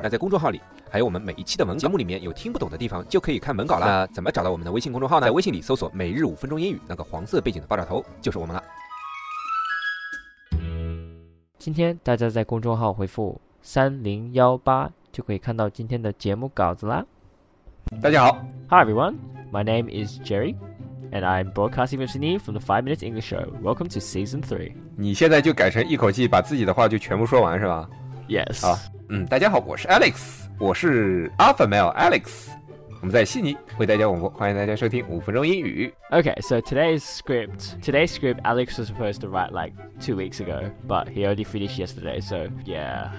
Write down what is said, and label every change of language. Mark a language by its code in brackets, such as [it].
[zh] 那在公众号里还有我们每一期的文稿，节目里面有听不懂的地方就可以看文稿了。那怎么找到我们的微信公众号呢？在微信里搜索每日五分钟英语，那个黄色背景的爆炸头就是我们了。今天大家在公众号回复3018就可以看到今天的节目稿子啦。大家好。 [en] Hi everyone, my name is Jerry, and I'm broadcasting with Sydney from the 5 Minutes English Show. Welcome to Season 3. [zh] 你现在就改成一口气把自己的话就全部说完是吧？ [en] Yes. [zh] 好，大家好，我是 Alex, 我是 Alpha Male Alex. 我们在悉尼为大家广播，欢迎大家收听五分钟英语。 [en] Okay, so today's script Alex was supposed to write like 2 weeks ago, but he already finished yesterday, so yeah.